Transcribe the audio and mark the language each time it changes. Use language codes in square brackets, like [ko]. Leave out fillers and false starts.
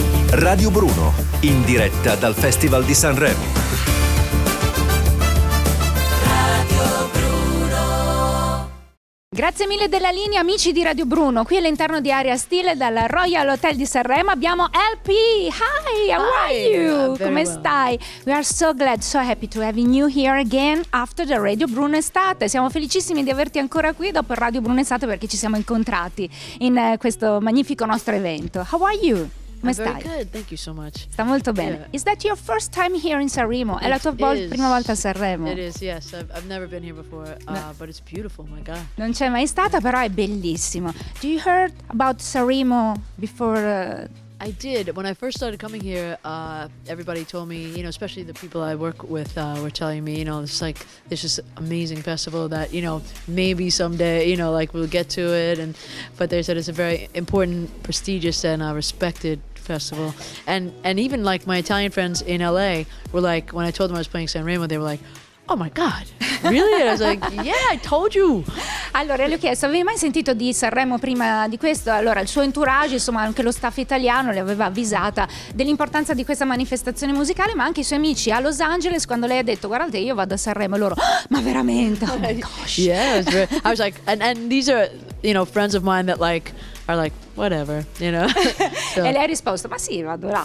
[it] Radio Bruno, in diretta dal Festival di Sanremo. Grazie mille della linea, amici di Radio Bruno. Qui all'interno di Area Stile dal Royal Hotel di Sanremo abbiamo LP. [en] Hi, how are you? [it] Come stai? [en] We are so glad, so happy to have you here again after the Radio Bruno estate. [it] Siamo felicissimi di averti ancora qui dopo Radio Bruno estate, perché ci siamo incontrati in questo magnifico nostro evento. [en] How are you? [it] Come stai? [en] Very good, thank you so much. [it] Sta molto bene. Yeah. [en] Is that your first time here in Sanremo? [it] È la tua prima volta a Sanremo? [en] It is, yes. I've never been here before, but it's beautiful, my God. [it] Non c'è mai stata, però è bellissimo. [en] Do you heard about Sanremo before? I did. When I first started coming here, everybody told me, you know, especially the people I work with were telling me, you know, it's like this is amazing festival that, you know, maybe someday, you know, like we'll get to it. And but they said it's a very important, prestigious and respected festival. And even like my Italian friends in LA were like, when I told them I was playing Sanremo, they were like, oh my God, really? And I was like, yeah, I told you. [it] Allora, le ho chiesto, avevi mai sentito di Sanremo prima di questo? Allora, il suo entourage, insomma, anche lo staff italiano le aveva avvisata dell'importanza di questa manifestazione musicale, ma anche i suoi amici a Los Angeles, quando lei ha detto, guardate, io vado a Sanremo, loro, oh, ma veramente? [en] Oh my gosh. Yeah, it was very, I was like, and these are, you know, friends of mine that like, are like, whatever, you know? [it] So. E lei ha risposto, ma sì, vado là,